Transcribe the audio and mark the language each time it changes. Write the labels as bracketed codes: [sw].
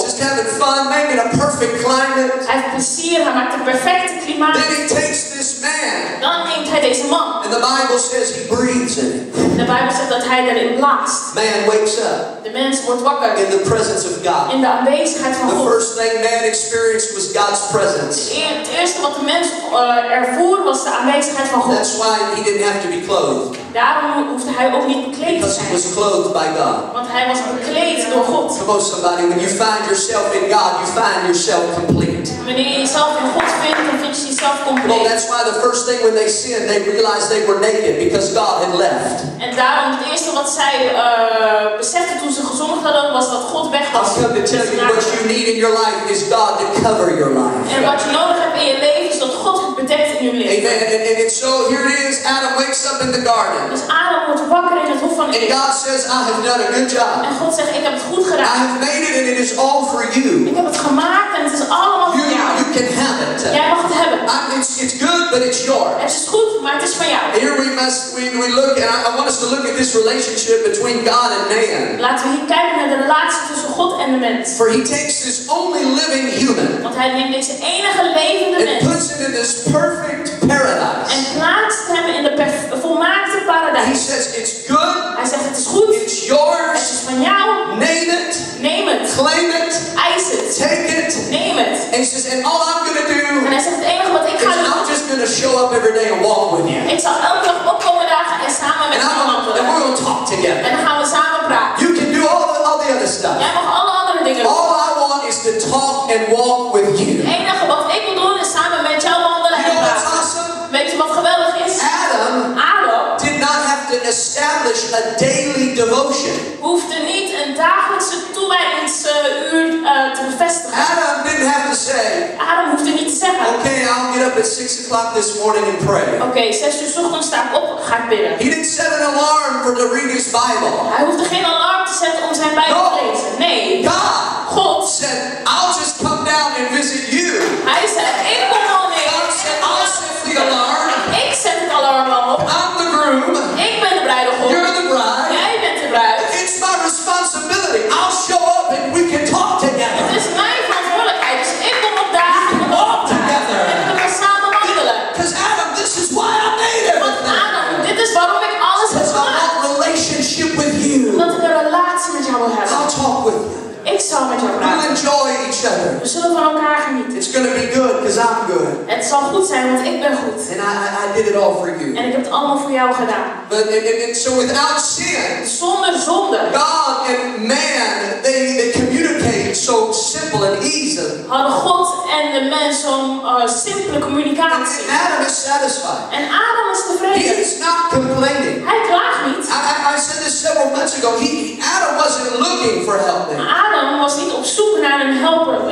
[en] Just having fun, making a perfect climate. [nl] Hij heeft plezier, hij maakt het perfecte klimaat. [en] Then he takes this man. [nl] Dan neemt hij deze man. [en] And the Bible says he breathes in it. [nl] De Bijbel zegt dat hij erin blaast. [en] Man wakes up. [nl] De mens wordt wakker. [en] In the presence of God. [nl] In de aanwezigheid van God. [en] The first thing man experienced was God's presence. [nl] Het eerste wat de mens ervoer was de aanwezigheid van God. [en] That's why he didn't have to be clothed. [nl] Daarom hoefde hij ook niet bekleed te zijn. [en] Because he was clothed by God. [nl] Want hij was bekleed door God. [en] Come on somebody, when you find yourself in God, you find yourself complete. [nl] Wanneer je jezelf in God vindt, dan vind je jezelf compleet. [en] Well, that's why the first thing when they sinned, they realized they were naked because God had left. [nl] En daarom het eerste wat zij beseften toen ze gezondigd hadden, was dat God weg was. [en] I've come to tell you what you need in your life is God to cover your life. [nl] En wat je nodig hebt in je leven is dat God het bedekt in je leven. [en] Amen. And so here it is. Adam wakes up in the garden. [nl] Dus Adam wordt wakker in het hof van Eden. [en] And God says, I have done a good job. [nl] En God zegt, ik heb het goed gedaan. [en] I have made it and it is all for you. [nl] Ik heb het gemaakt en het is allemaal voor jou. [en] You can have it. [nl] Jij mag het hebben. [en] It's good, but it's yours. [nl] Het is goed, maar het is van jou. [en] Here we look, and I want us to look at this relationship between God and man. [nl] Laten we hier kijken naar de relatie tussen God en de mens. [en] For he takes this only living human. [nl] Want hij neemt deze enige levende mens. [en] And puts him in this perfect paradise. [nl] En plaatst hem in de volmaakte paradijs. [en] He says, it's good. [nl] Hij zegt, het is goed. [en] It's yours. [nl] Het is van jou. [en] Name it. [nl] Neem het. [en] Claim it. [nl] Eis het. [en] Take it. [nl] Neem het. [en] And he says, and all I'm going to do. [nl] En hij zegt, het enige wat ik ga doen. [en] I'm just going to show up every day and walk with you. [nl] Ik zal elke dag opkomen dagen en samen met jou wandelen. [en] And we're going to talk together. [nl] En dan gaan we samen praten. [en] You can do all the other stuff. [nl] Jij mag alle andere dingen doen. [en] All I want is to talk and walk with you. [nl] Het enige wat ik wil doen is samen met jou wandelen en praten. [en] You know what's awesome? [nl] Weet je wat geweldig is? [en] Adam did not have to establish a daily devotion. [nl] Hoefde niet een dagelijkse toewijdingsuur te bevestigen. [en] Adam didn't have to say. [nl] Adam hoefde niet te zeggen. [en] Okay, I'll get up at 6 o'clock this morning and pray. [nl] Okay, 6 uur 's ochtends sta ik op, ga ik bidden. [en] He didn't set an alarm for to read his Bible. [nl] Hij hoefde geen alarm te zetten om zijn Bijbel te lezen. Nee. [en] God said, I'll just come down and visit you. [nl] Hij zei, ik kom al neer. [en] God said, I'll set the alarm. [nl] Ik zet het alarm al op. [en] I'm the groom. [nl] Ik ben de bruidegom. [en] You're the bride. [nl] Jij bent de bruid. [en] It's my responsibility. I'll show up and we can talk together. [nl] Het is mijn verantwoordelijkheid. Dus ik kom op daar. [en] We can walk together. [nl] En we gaan samen wandelen. [en] Because Adam, this is why I made it. [nl] Want Adam, dit is waarom ik alles heb gemaakt. [en] Because I want a relationship with you. [nl] Omdat ik een relatie met jou wil hebben. [en] I'll talk with you. [nl] Ik zal met jou praten. [en] We'll enjoy each other. [nl] We zullen van elkaar genieten. [en] It's gonna be good, 'cause I'm good. [nl] Het zal goed zijn, want ik ben goed. [en] And I did it all for you. [nl] En ik heb het allemaal voor jou gedaan. [en] But and so without sin, [nl] zonder zonde. [en] God and man, they communicate so simple and easy. [nl] Hadden God en de mens zo'n simpele communicatie. [en] And Adam is satisfied. [nl] En Adam is tevreden. [en] He is not complaining. [nl] Hij klaagt niet. [en] I said this several months ago. Adam wasn't looking for help then. [nl] Adam was niet op zoek naar een helper.